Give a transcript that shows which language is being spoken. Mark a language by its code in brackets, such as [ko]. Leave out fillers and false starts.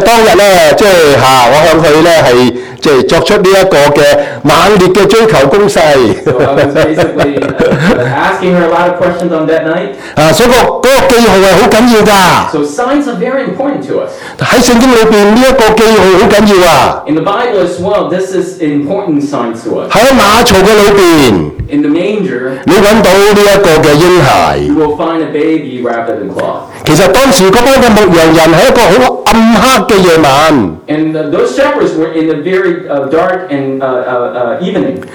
[en] That place was the location, was the sign. [zh] 即是作出这个猛烈的追求攻势。 [en] So I was basically asking her a lot of questions on that night. [zh] 所以那个记号是很重要的。 [en] So signs are very important to us. [zh] 在圣经里面这个记号很重要啊。 [en] In the Bible as well, this is an important sign to us. [zh] 在马槽的里面。 [en] In the manger, [zh] 你找到这个婴孩。 [en] You will find a baby wrapped in cloth. [zh] 其实当时那帮牧羊人是一个很暗黑的夜晚。 [en] And those shepherds were in a very dark and evening.